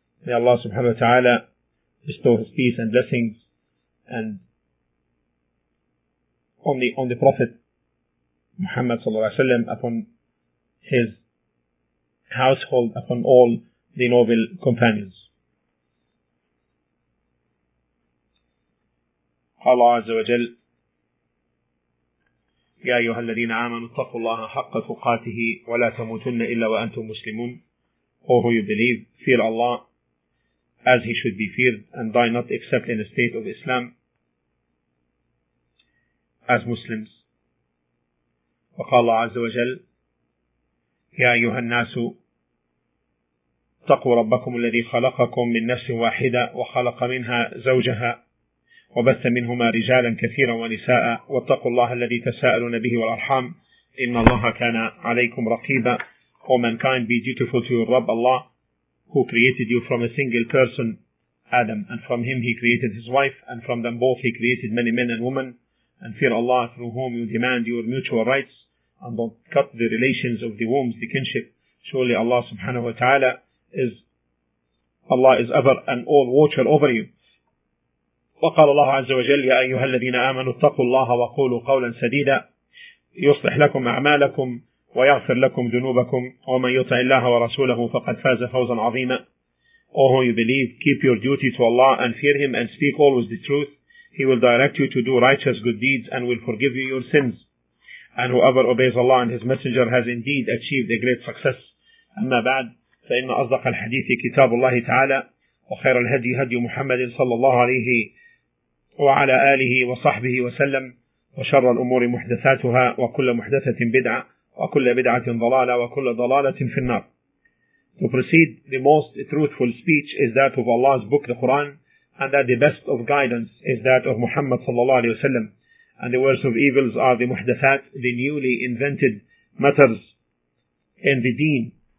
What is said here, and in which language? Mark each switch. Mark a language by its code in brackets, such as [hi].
[en] May Allah subhanahu wa ta'ala bestow his peace and blessings and on the Prophet Muhammad sallallahu alayhi wa sallam, upon his household, upon all the noble companions. [ar] Allah Azza wa Jal, يا أيها الذين آمنوا اتقوا الله حق تقاته ولا تموتن إلا وأنتم مسلمون. [en] All who you believe, fear Allah as He should be feared, and die not except in a state of Islam as Muslims. [ar] وقال الله عز وجل يا أيها الناس اتقوا ربكم الذي خلقكم من نفس واحدة وخلق منها زوجها وبث منهما رجالا كثيرا ونساء واتقوا الله الذي تساءلون به والأرحام إن الله كان عليكم رقيبا. [en] O mankind, be dutiful to your Rabb Allah, who created you from a single person, Adam, and from him he created his wife, and from them both he created many men and women, and fear Allah, through whom you demand your mutual rights, and don't cut the relations of the wombs, the kinship. Surely Allah subhanahu wa ta'ala is, Allah is ever an all watcher over you. [ar] وقال الله عز وجل يا أيها الذين آمنوا اتقوا الله وقولوا قولا سديدا يصلح لكم أعمالكم ويغفر لكم ذنوبكم ومن يطع الله ورسوله فقد فاز فوزا عظيما. [en] All whom you believe, keep your duty to Allah and fear Him and speak always the truth. He will direct you to do righteous good deeds and will forgive you your sins. And whoever obeys Allah and His Messenger has indeed achieved a great success. [ar] أما بعد فإن أصدق الحديث كتاب الله تعالى وخير الهدي هدي محمد صلى الله عليه وعلى آله وصحبه وسلم وشر الأمور محدثاتها وكل محدثة بدعة وكل بدعة ضلالة وكل ضلالة في النار. [en] To proceed, the most truthful speech is that of Allah's book, the Quran, and that the best of guidance is that of Muhammad صلى الله عليه وسلم. And the worst of evils are the محدثات, the newly invented matters in the deen.